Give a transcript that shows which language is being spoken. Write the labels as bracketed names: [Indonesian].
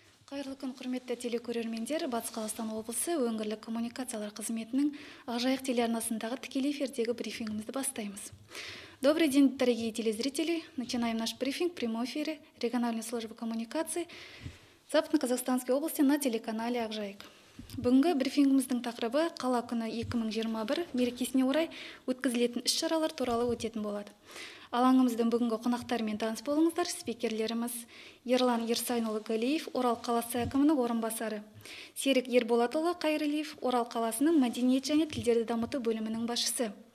[Kazakh] Қайырлы күн, құрметті телекөрермендер. Батыс Қазақстан облысы өңірлік коммуникациялар қызметінің Ақжайық телеарнасындағы тікелей эфирдегі брифингімізді бастаймыз. [Russian] Добрый день, дорогие телезрители. Начинаем наш брифинг в прямом эфире региональной службы коммуникации Западно-Казахстанской области на телеканале Ақжайық. [Kazakh] Бүгінгі брифингіміздің тақырыбы қала күні 2021 мерекесіне орай өткізілетін іс-шаралар туралы өтетін болады. Алаңымыздың бүгінгі қонақтарымен таныс болыңыздар. Спикерлеріміз Ерлан Ерсайнұлы Галиев, Орал қаласы әкімінің орынбасары. Серік Ерболатұлы Қайрылиев, Орал қаласының мәдениет және тілдерді дамыту бөлімінің басшысы.